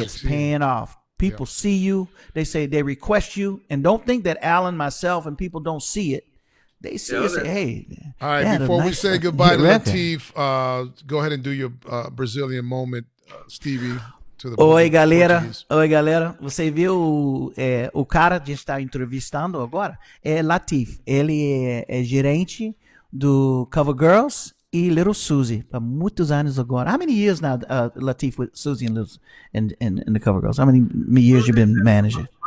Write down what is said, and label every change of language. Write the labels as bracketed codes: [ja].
[en] it's paying off. People see you, they say they request you, and don't think that Alan, myself, and people don't see it. They see us. Hey, all right. Before we say goodbye to Latif, go ahead and do your Brazilian moment, Stevie. [pt] Oi, galera. Você viu o cara que a gente está entrevistando agora? É Latif. Ele é gerente do Cover Girls e Little Susie. Há muitos anos agora. [en] How many years now, Latif, with Susie and and the Cover Girls? How many years you been managing?